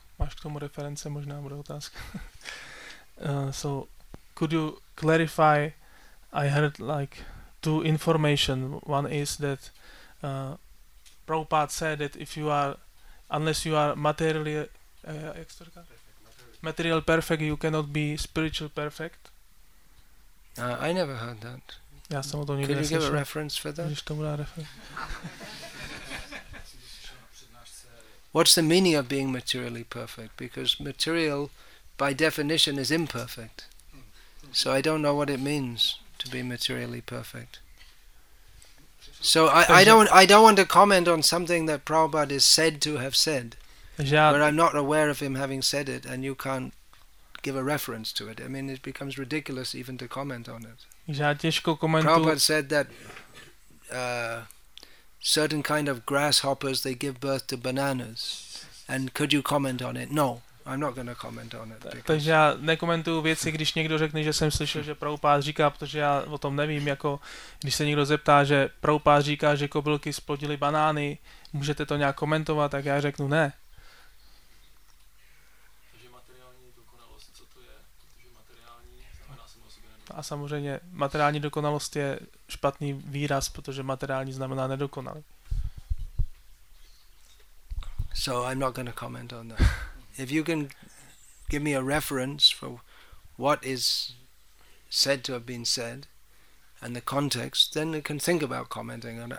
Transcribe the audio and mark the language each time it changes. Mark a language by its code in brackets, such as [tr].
[cs] K tomu reference možná bude otázka. [en] So, could you clarify? I heard like two information. One is that Prabhupada said that if you are, unless you are materially material perfect, you cannot be spiritual perfect. I never heard that. [cs] Já jsem o tom nikdy neslyšel. [en] Could you give a reference for that? [cs] Když tomu dá reference. [en] What's the meaning of being materially perfect? Because material, by definition, is imperfect. So I don't know what it means to be materially perfect. So I don't want to comment on something that Prabhupada is said to have said, but I'm not aware of him having said it, and you can't give a reference to it. I mean, it becomes ridiculous even to comment on it. Prabhupada said that certain kind of grasshoppers, they give birth to bananas. And could you comment on it? No, I'm not going to comment on it. [cs] Takže já nekomentuju věci, když někdo řekne, že jsem slyšel, že Prabhupáda říká, protože já o tom nevím, jako když se někdo zeptá, že Prabhupáda říká, že kobylky splodily banány, můžete to nějak komentovat, tak já řeknu ne. Takže materiální dokonalost, co to je? Protože materiální znamená sama o sobě nedokonalost. A samozřejmě materiální dokonalost je špatný výraz, protože materiální znamená nedokonalý. [en] So I'm not going to comment on that. If you can give me a reference for what is said to have been said and the context, then I can think about commenting on it.